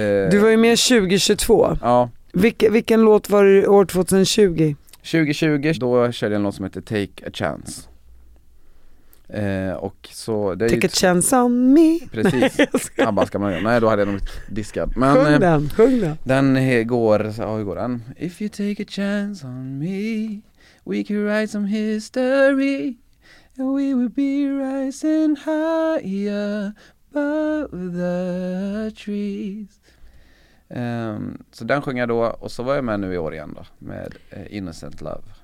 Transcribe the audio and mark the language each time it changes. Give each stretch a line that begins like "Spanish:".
Swedish: Du var ju med 2022. Ja. Vilken låt var det år 2020? 2020, då körde jag en låt som heter Take a Chance. Och så det är Take a Chance on Me. Precis. Abba ska man göra. Nej, då hade jag nog diskad. Men sjung den. Hur går den?
English: If you take a chance on me, we could write some history and we would be rising higher above the trees.
Swedish: Så den sjöng jag då, och så var jag med nu i år igen då med Innocent Love.